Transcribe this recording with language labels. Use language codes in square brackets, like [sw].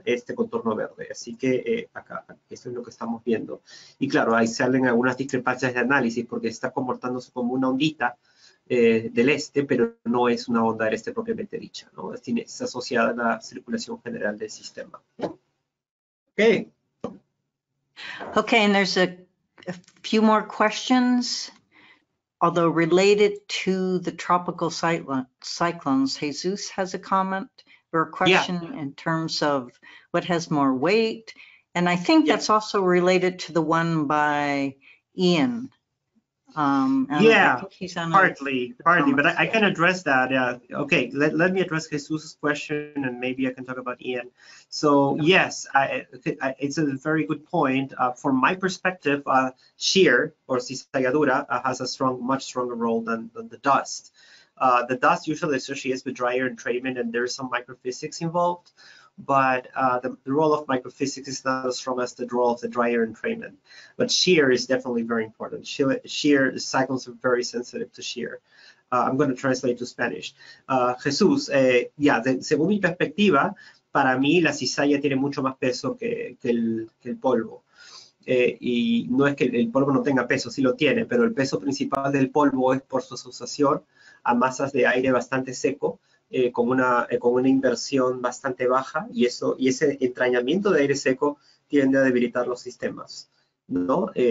[es] Este contorno verde. Así que acá, esto es lo que estamos viendo. Y claro, ahí salen algunas discrepancias de análisis porque está comportándose como una ondita del este, pero no es una onda del este propiamente dicha, ¿no? Es asociada a la circulación general del sistema. [en] Okay. Okay, and there's a few more questions, although related to the tropical cyclones. Jesus has a comment or a question, yeah, in terms of what has more weight, And I think that's also related to the one by Ian. Partly, but I can address that. Okay, let me address Jesus' question and maybe I can talk about Ian. So yes, it's a very good point. From my perspective, shear or cizalladura has a much stronger role than the dust. The dust usually associates with drier entrainment and there's some microphysics involved, but the role of microphysics is not as strong as the role of the drier entrainment. But shear is definitely very important. Shear, the cyclones are very sensitive to shear. I'm going to translate to Spanish. [es] Jesús, según mi perspectiva, para mí la cizalla tiene mucho más peso que el polvo. Y no es que el polvo no tenga peso, sí lo tiene, pero el peso principal del polvo es por su asociación a masas de aire bastante seco, con una inversión bastante baja, y ese entrañamiento de aire seco tiende a debilitar los sistemas, ¿no?